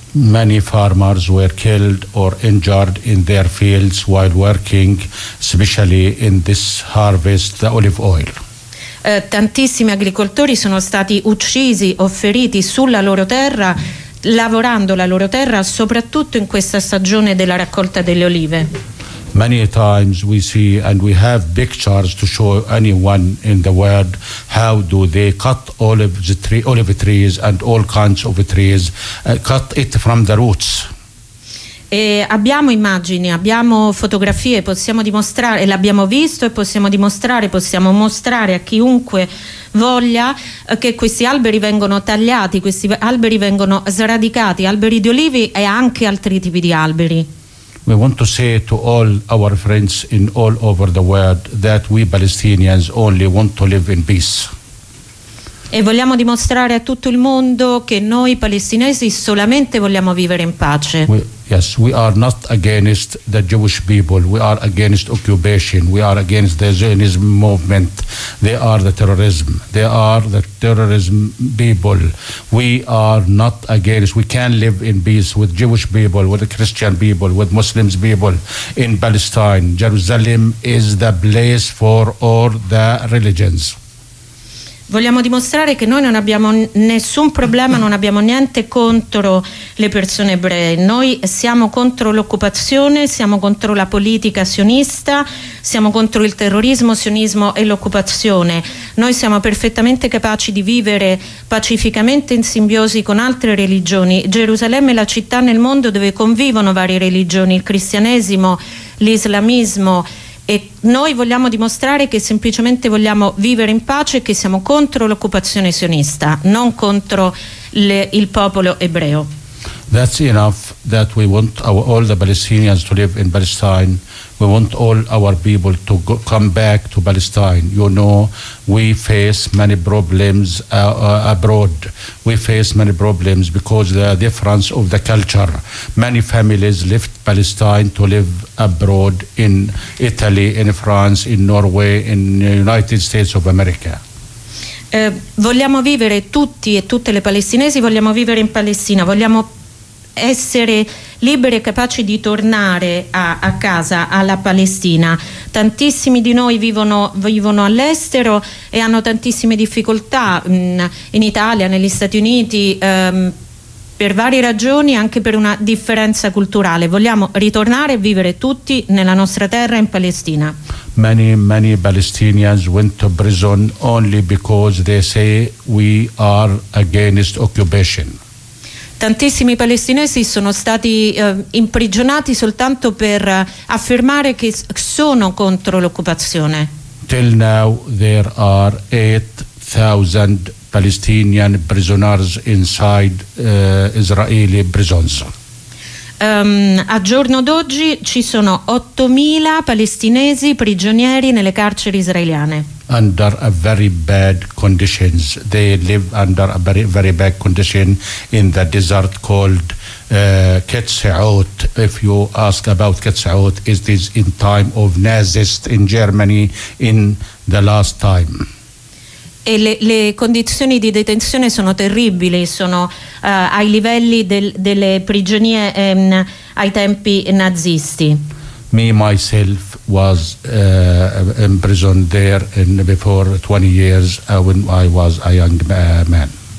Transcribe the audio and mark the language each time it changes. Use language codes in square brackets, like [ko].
[en] Many farmers were killed or injured in their fields while working, especially in this harvest, the olive oil. [it] Tantissimi agricoltori sono stati uccisi o feriti sulla loro terra, lavorando la loro terra, soprattutto in questa stagione della raccolta delle olive. [en] Many times we see and we have pictures to show anyone in the world how do they cut olive trees and all kinds of trees, cut it from the roots. [it] E abbiamo immagini, abbiamo fotografie, possiamo dimostrare, e l'abbiamo visto e possiamo mostrare a chiunque voglia che questi alberi vengono tagliati, questi alberi vengono sradicati, alberi di olivi e anche altri tipi di alberi. [en] We want to say to all our friends in all over the world that we Palestinians only want to live in peace. [it] E vogliamo dimostrare a tutto il mondo che noi palestinesi solamente vogliamo vivere in pace. [en] Yes, we are not against the Jewish people. We are against occupation. We are against the Zionism movement. They are the terrorism. They are the terrorism people. We are not against. We can live in peace with Jewish people, with the Christian people, with Muslims people in Palestine. Jerusalem is the place for all the religions. [it] Vogliamo dimostrare che noi non abbiamo nessun problema, non abbiamo niente contro le persone ebree. Noi siamo contro l'occupazione, siamo contro la politica sionista, siamo contro il terrorismo, sionismo e l'occupazione. Noi siamo perfettamente capaci di vivere pacificamente in simbiosi con altre religioni. Gerusalemme è la città nel mondo dove convivono varie religioni, il cristianesimo, l'islamismo E noi vogliamo dimostrare che semplicemente vogliamo vivere in pace e che siamo contro l'occupazione sionista, non contro il popolo ebreo. [en] That's enough that we want all the Palestinians to live in Palestine. We want all our people to come back to Palestine. You know, we face many problems abroad. We face many problems because of the difference of the culture. Many families left Palestine to live abroad in Italy, in France, in Norway, in the United States of America. [it] Vogliamo vivere tutti e tutte le palestinesi, vogliamo vivere in Palestina, vogliamo essere liberi e capaci di tornare a casa, alla Palestina. Tantissimi di noi vivono all'estero e hanno tantissime difficoltà in Italia, negli Stati Uniti, per varie ragioni, anche per una differenza culturale. Vogliamo ritornare e vivere tutti nella nostra terra, in Palestina. [en] Many, many Palestinians went to prison only because they say we are against occupation. [it] Tantissimi palestinesi sono stati imprigionati soltanto per affermare che sono contro l'occupazione. [en] Till now there are 8,000 Palestinian prisoners inside Israeli prisons. [it] A giorno d'oggi ci sono 8,000 palestinesi prigionieri nelle carceri israeliane. [en] Under a very bad conditions, they live under a very, very bad condition in the desert called Ketz'out. If you ask about Ketz'out, it is in time of Nazis in Germany in the last time. [it] E le condizioni di detenzione sono terribili, sono ai livelli delle prigionie ai tempi nazisti. [en] Me myself was imprisoned there in before 20 years when I was a young man.